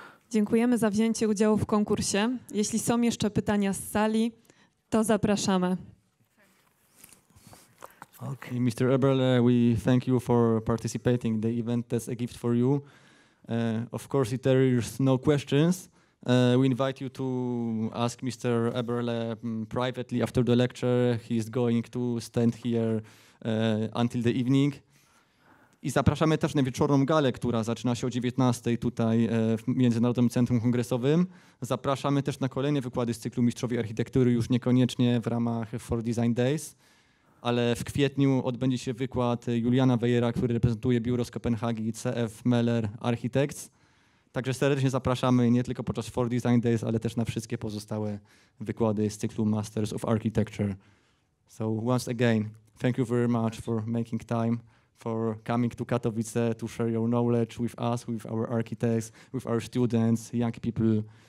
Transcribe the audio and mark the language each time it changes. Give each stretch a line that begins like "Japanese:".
Polish: Dziękujemy za wzięcie udziału w konkursie. Jeśli są jeszcze pytania z sali, to zapraszamy.
English: Okay, Mr. Eberle, we thank you for participating in the event. That's a gift for you. Of course, if there is no questions, we invite you to ask Mr. Eberle privately after the lecture. He is going to stand here until the evening.
Polish: I zapraszamy też na wieczorną galę, która zaczyna się o 19 tutaj w Międzynarodowym Centrum Kongresowym. Zapraszamy też na kolejne wykłady z cyklu Mistrzowie Architektury, już niekoniecznie w ramach Four Design Days, ale w kwietniu odbędzie się wykład Juliana Wejera, który reprezentuje biuro z Kopenhagi CF Meller Architects. Także serdecznie zapraszamy nie tylko podczas Four Design Days, ale też na wszystkie pozostałe wykłady z cyklu Masters of Architecture.
English: So once again, thank you very much for making time, for coming to Katowice to share your knowledge with us, with our architects, with our students, young people.